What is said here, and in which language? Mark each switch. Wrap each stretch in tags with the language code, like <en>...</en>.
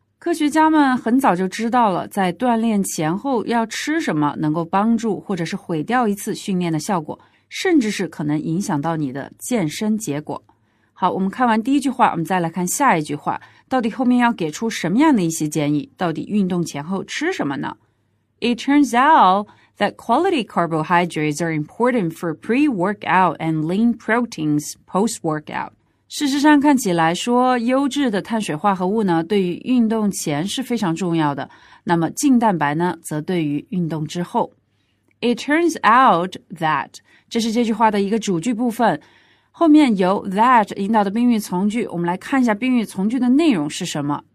<zh>科学家们很早就知道了在锻炼前后要吃什么能够帮助或者是毁掉一次训练的效果。甚至是可能影响到你的健身结果。好，我们看完第一句话，我们再来看下一句话，到底后面要给出什么样的一些建议？到底运动前后吃什么呢？</zh> <en>It turns out that quality carbohydrates are important for pre-workout and lean proteins post-workout.</en> <zh>事实上看起来说，优质的碳水化合物呢，对于运动前是非常重要的，那么净蛋白呢，则对于运动之后。</zh> <en>It turns out that,</en> <zh>这是这句话的一个主句部分。后面由 that 引导的宾语从句，我们来看一下宾语从句的内容是什么。</zh>